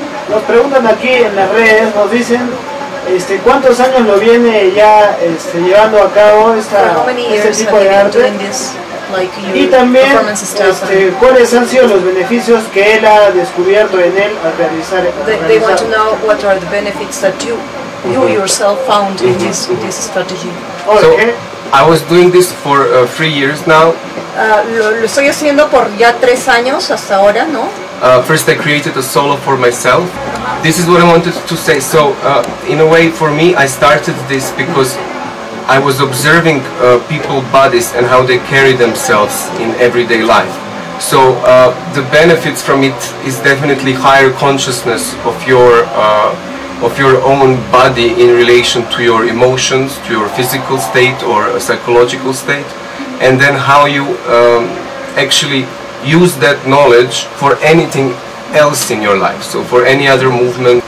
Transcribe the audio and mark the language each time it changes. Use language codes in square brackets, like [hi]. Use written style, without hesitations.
[es] Nos preguntan aquí en las redes, nos dicen, ¿cuántos años lo viene ya llevando a cabo este tipo de arte? Like y también, ¿cuáles han sido los beneficios que él ha descubierto en él al realizar [en] They want to know what are the benefits that you yourself found in this strategy. Okay. So, I was doing this for 3 years now. [es] Lo estoy haciendo por ya 3 años hasta ahora, ¿no? [en] First I created a solo for myself. This is what I wanted to say. So, in a way, for me, I started this because I was observing people's bodies and how they carry themselves in everyday life. So the benefits from it is definitely higher consciousness of your own body in relation to your emotions, to your physical state or a psychological state, and then how you actually use that knowledge for anything else in your life, so for any other movement.